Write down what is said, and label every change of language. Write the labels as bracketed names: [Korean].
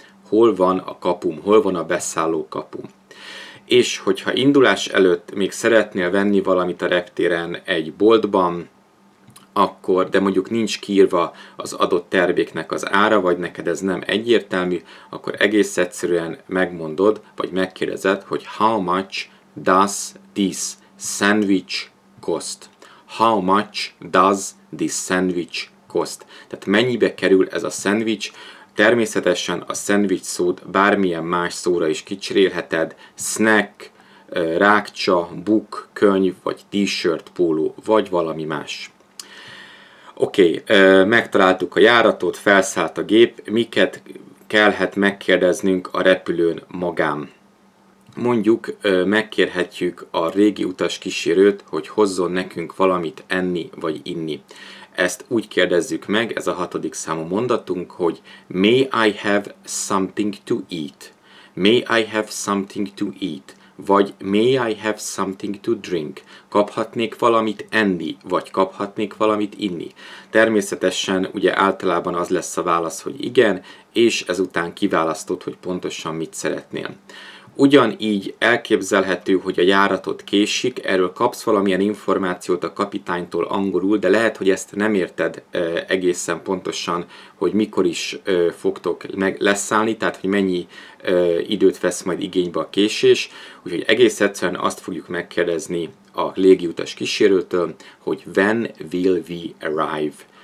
[Hungarian] Hol van a kapum, hol van a beszálló kapum. És hogyha indulás előtt még szeretnél venni valamit a reptéren egy boltban, akkor, de mondjuk nincs kiírva az adott terméknek az ára, vagy neked ez nem egyértelmű, akkor egész egyszerűen megmondod, vagy megkérdezed, hogy [English] how much does this sandwich cost? How much does this sandwich cost? [Hungarian] Tehát mennyibe kerül ez a sandwich? Természetesen a szendvics szót bármilyen más szóra is kicserélheted, snack, rákcsa, book, könyv, vagy t-shirt, póló, vagy valami más. Oké, megtaláltuk a járatot, felszállt a gép, miket kellhet megkérdeznünk a repülőn magán. Mondjuk megkérhetjük a régi utaskísérőt, hogy hozzon nekünk valamit enni vagy inni. Ezt úgy kérdezzük meg, ez a 6. számú mondatunk, hogy [English] may I have something to eat? May I have something to eat? [Hungarian] Vagy [English] may I have something to drink? [Hungarian] Kaphatnék valamit enni? Vagy kaphatnék valamit inni? Természetesen ugye általában az lesz a válasz, hogy igen, és ezután kiválasztod, hogy pontosan mit szeretnél. Ugyanígy elképzelhető, hogy a járatot késik, erről kapsz valamilyen információt a kapitánytól angolul, de lehet, hogy ezt nem érted egészen pontosan, hogy mikor is fogtok leszállni, tehát hogy mennyi időt vesz majd igénybe a késés, úgyhogy egész egyszerűen azt fogjuk megkérdezni a légiutas kísérőtől, hogy [English] when will we arrive?